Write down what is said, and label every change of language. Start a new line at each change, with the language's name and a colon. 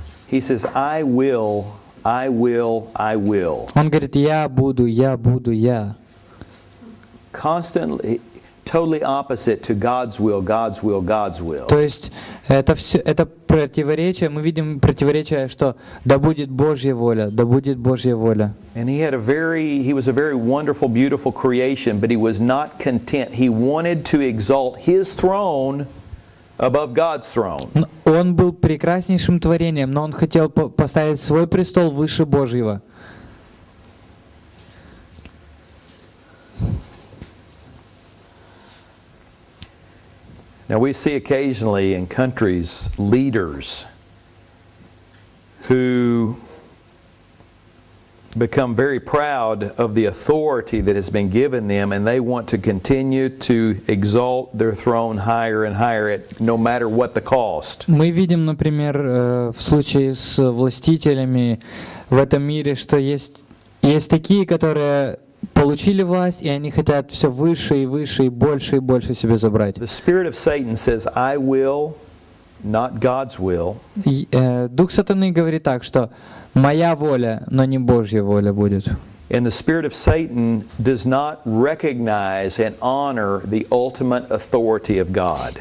English: He says, "I will, I will, I will."
Russian: Он говорит, я буду, я буду, я.
English: Constantly, totally opposite to God's will, God's will, God's will.
Russian: То есть это все, это противоречие. Мы видим противоречие, что да будет Божья воля, да будет Божья воля.
English: And he had a very, he was a very wonderful, beautiful creation, but he was not content. He wanted to exalt his throne. Above God's throne.
Russian: Он был прекраснейшим творением, но он хотел поставить свой престол выше Божьего.
English: Now we see occasionally in countries leaders who become very proud of the authority that has been given them, and they want to continue to exalt their throne higher and higher, at, no matter what the cost.
Russian: Мы видим, например, в случае с властителями в этом мире, что есть такие, которые получили власть, и они хотят все выше и выше и больше себе забрать.
English: The spirit of Satan says, "I will, not God's will."
Russian: Дух сатаны говорит так, что моя воля, но не Божья воля будет.
English: And the spirit of Satan does not recognize and honor the ultimate authority of God.